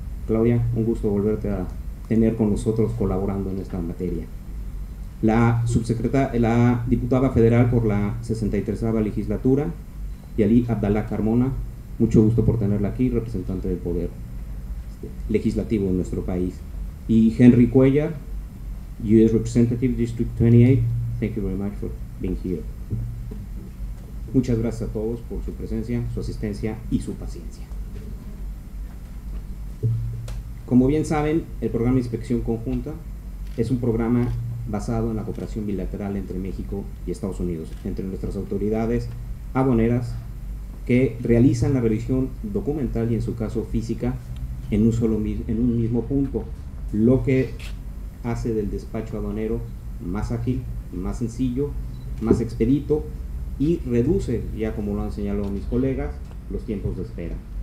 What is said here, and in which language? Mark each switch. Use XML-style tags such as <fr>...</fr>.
<es>Claudia, un gusto volverte a tener con nosotros colaborando en esta materia. La subsecretaria, la diputada federal por la 63ª legislatura, Yali Abdalá Carmona, mucho gusto por tenerla aquí, representante del poder legislativo en nuestro país. Y Henry Cuellar, U.S.</es> <en>Representative, District 28, thank you very much for being here.</en> <es>Muchas gracias a todos por su presencia, su asistencia y su paciencia. Como bien saben, el programa Inspección Conjunta es un programa basado en la cooperación bilateral entre México y Estados Unidos, entre nuestras autoridades aduaneras que realizan la revisión documental y en su caso física en un mismo punto, lo que hace del despacho aduanero más ágil, más sencillo, más expedito y reduce, ya como lo han señalado mis colegas, los tiempos de espera.</es>